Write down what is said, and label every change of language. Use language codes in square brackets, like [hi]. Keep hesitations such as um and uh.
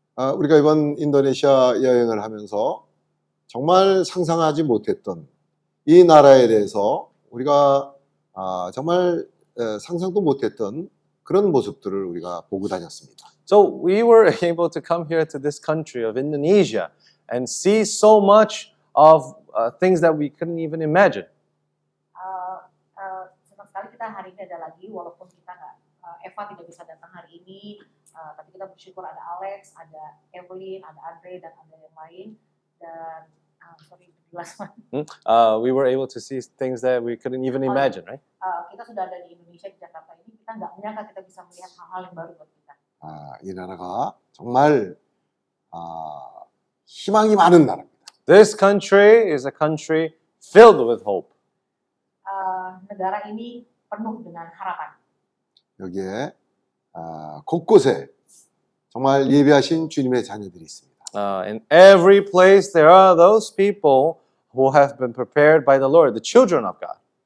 [ko] 아, 우리가 이번 인도네시아 여행을 하면서 정말 상상하지 못했던 이 나라에 대해서 우리가 아, 정말 에, 상상도 못했던 그런 모습들을 우리가 보고 다녔습니다. [en] So we were able to come here to this country of Indonesia and see so much of uh, things that we couldn't even imagine. [id] Uh, uh, senang sekali kita hari ini ada lagi, walaupun kita nggak uh, Eva tidak bisa datang hari ini, uh, tapi kita bersyukur ada Alex, ada Evelyn, ada Andre dan ada yang lain dan Hmm? [en] Uh, we were able to see things that we couldn't even imagine, right? Uh, [ko] 이 나라가 정말 [en] uh, [ko] 희망이 많은 나라입니다. [en] This country is a country filled with hope. [id] Uh, [ko] 나라 이미 [id] penuh dengan harapan. [ko] 여기에 uh, 곳곳에 정말 예배하신 주님의 자녀들이 있습니다. [en] Uh, in every place, there are those people who have been prepared by the Lord, the children of God.